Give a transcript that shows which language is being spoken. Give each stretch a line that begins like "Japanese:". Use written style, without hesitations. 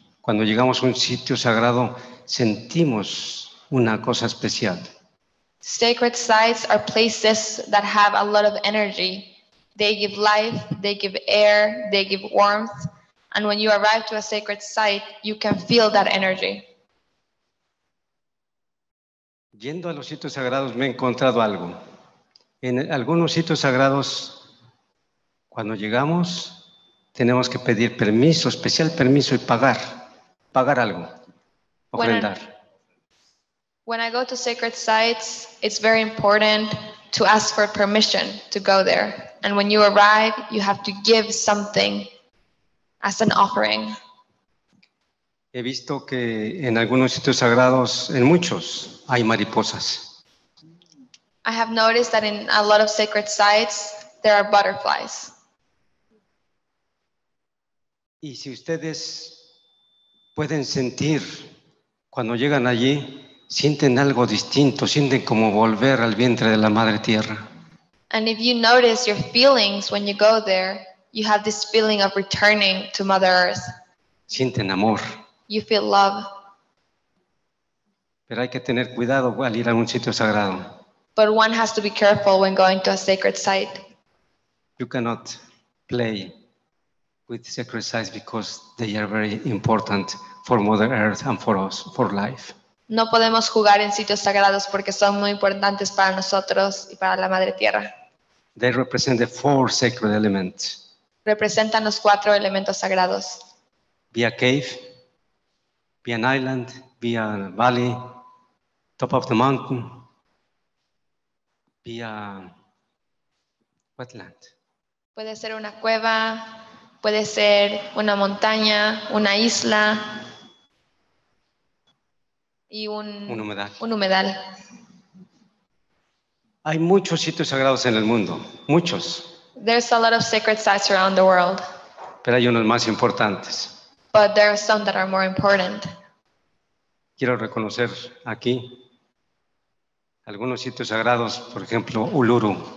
Spanish: Cuando llegamos a un sitio sagrado, sentimos una cosa especial.
English: Sacred sites are places that have a lot of energy. They give life, they give air, they give warmth. And when you arrive to a sacred site, you can feel that energy.
Spanish: Yendo a los sitios sagrados me he encontrado algo. En algunos sitios sagrados, cuando llegamos, tenemos que pedir permiso, especial permiso, y pagar algo, ofrendar.
English: When I go to sacred sites, it's very important to ask for permission to go there. And when you arrive, you have to give something as an offering.
Spanish: He visto que en algunos sitios sagrados, en muchos, hay mariposas.
English: I have noticed that in a lot of sacred sites, there are butterflies.
Spanish: Y si ustedes pueden sentir, cuando llegan allí, sienten algo distinto, sienten como volver al vientre de la madre tierra.
English: And if you notice your feelings when you go there, you have this feeling of returning to Mother Earth.
Spanish: Sienten amor.
English: You feel love.
Spanish: Pero hay que tener cuidado al ir a un sitio sagrado.
English: But one has to be careful when going to a sacred site. You cannot play with sacred sites because they are very important for Mother Earth and for us, for life.
Spanish: No podemos jugar en sitios sagrados porque son muy importantes para nosotros y para la Madre Tierra.
English: They represent the four sacred elements.
Spanish: Representan los cuatro elementos sagrados.
English: Via cave, via an island, via valley, top of the mountain, via wetland.
Spanish: Puede ser una cueva, puede ser una montaña, una isla. y un humedal. Un humedal. Hay muchos sitios sagrados en el mundo, muchos.
English: There's a lot of sacred sites around the world.
Spanish: Pero hay unos más importantes.
English: But there are some that are more important.
Spanish: Quiero reconocer aquí algunos sitios sagrados, por ejemplo, Uluru.